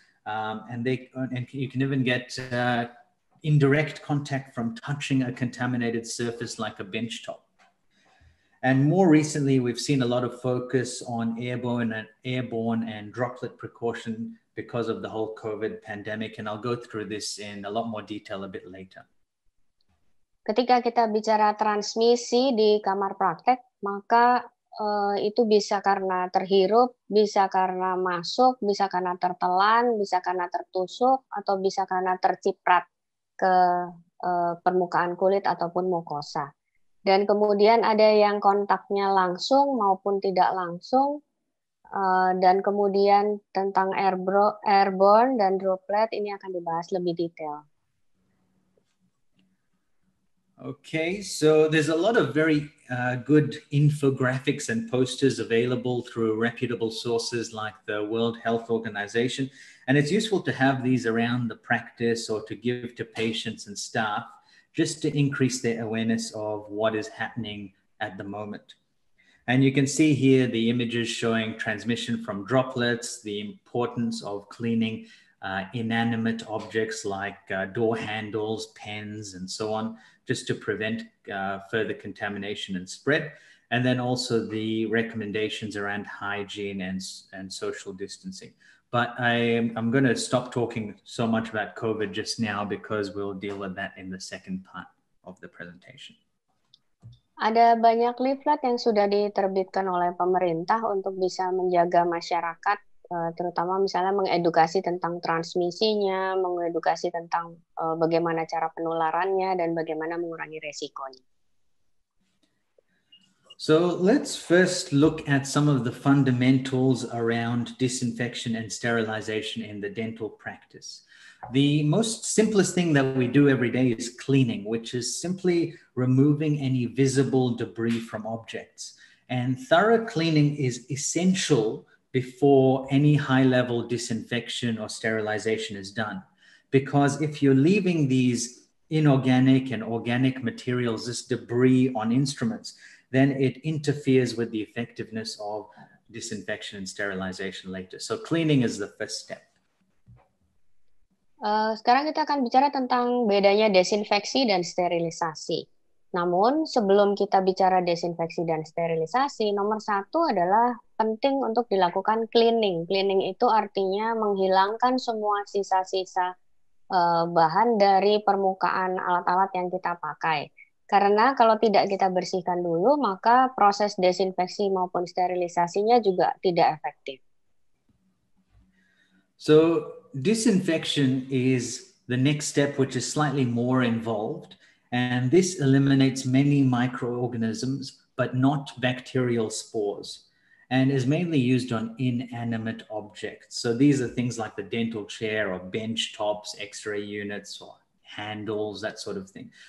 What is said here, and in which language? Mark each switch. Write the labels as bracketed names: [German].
[English] And you can even get indirect contact from touching a contaminated surface like a bench top. And more recently, we've seen a lot of focus on airborne and droplet precaution because of the whole COVID pandemic. And I'll go through this in a lot more detail a bit later. [Indonesian] Ketika kita bicara transmisi di kamar praktek, maka itu bisa karena terhirup, bisa karena masuk, bisa karena tertelan, bisa karena tertusuk, atau bisa karena terciprat ke permukaan kulit ataupun mukosa. Dan kemudian ada yang kontaknya langsung maupun tidak langsung. Dan kemudian tentang airborne dan droplet ini akan dibahas lebih detail. [English] Okay, so there's a lot of very good infographics and posters available through reputable sources like the World Health Organization. And it's useful to have these around the practice or to give to patients and staff just to increase their awareness of what is happening at the moment. And you can see here the images showing transmission from droplets, the importance of cleaning inanimate objects like door handles, pens, and so on, just to prevent further contamination and spread. And then also the recommendations around hygiene and social distancing. But I'm going to stop talking so much about COVID just now because we'll deal with that in the second part of the presentation. [Indonesian] Ada banyak leaflet yang sudah diterbitkan oleh pemerintah untuk bisa menjaga masyarakat, terutama misalnya mengedukasi tentang transmisinya, mengedukasi tentang bagaimana cara penularannya dan bagaimana mengurangi resikonya. [English] So let's first look at some of the fundamentals around disinfection and sterilization in the dental practice. The most simplest thing that we do every day is cleaning, which is simply removing any visible debris from objects. And thorough cleaning is essential before any high-level disinfection or sterilization is done. Because if you're leaving these inorganic and organic materials, this debris on instruments, then it interferes with the effectiveness of disinfection and sterilization later. So cleaning is the first step. [Indonesian] Sekarang kita akan bicara tentang bedanya desinfeksi dan sterilisasi. Namun sebelum kita bicara desinfeksi dan sterilisasi, nomor satu adalah penting untuk dilakukan cleaning. Cleaning itu artinya menghilangkan semua sisa-sisa bahan dari permukaan alat-alat yang kita pakai. Karena kalau tidak kita bersihkan dulu, maka proses desinfeksi maupun sterilisasinya juga tidak efektif. [English] So, disinfection is the next step which is slightly more involved. And this eliminates many microorganisms, but not bacterial spores. And is mainly used on inanimate objects. So these are things like the dental chair or bench tops, x-ray units or handles, that sort of thing.